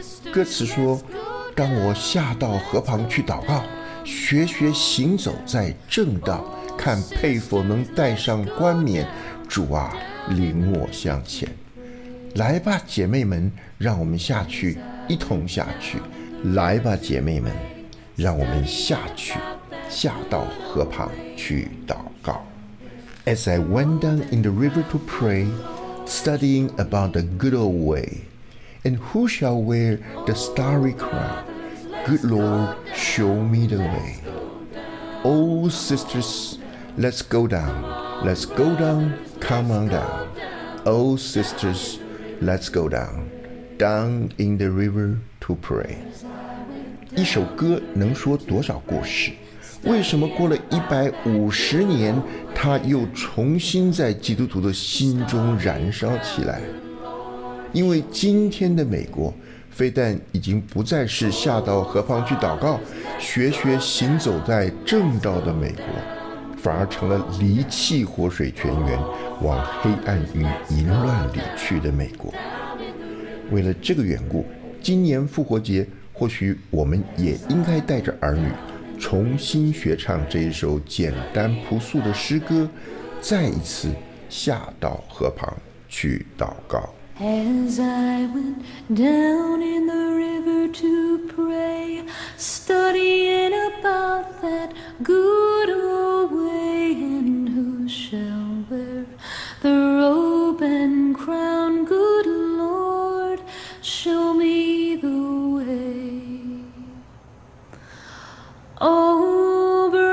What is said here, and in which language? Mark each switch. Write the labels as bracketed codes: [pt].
[zh] 歌词说，当我下到河旁去祷告，学学行走在正道，看配否能戴上冠冕，主啊领我向前。来吧姐妹们，让我们下去一同下去，来吧姐妹们，让我们下去，下到河旁去祷告。 [en] As I went down in the river to pray, studying about the good old way, and who shall wear the starry crown, good Lord, show me the way. Oh sistersLet's go down, let's go down, come on down. Oh sisters, let's go down, down in the river to pray. [zh] 一首歌能说多少故事？为什么过了150年，它又重新在基督徒的心中燃烧起来？因为今天的美国，非但已经不再是下到河旁去祷告，学学行走在正道的美国，反而成了离弃活水泉源往黑暗与淫乱里去的美国。为了这个缘故，今年复活节或许我们也应该带着儿女重新学唱这一首简单朴素的诗歌，再一次下到河旁去祷告。 [en] As I went down in the river to pray, studying about that good old wayShall wear the robe and crown, good Lord, show me the way. Oh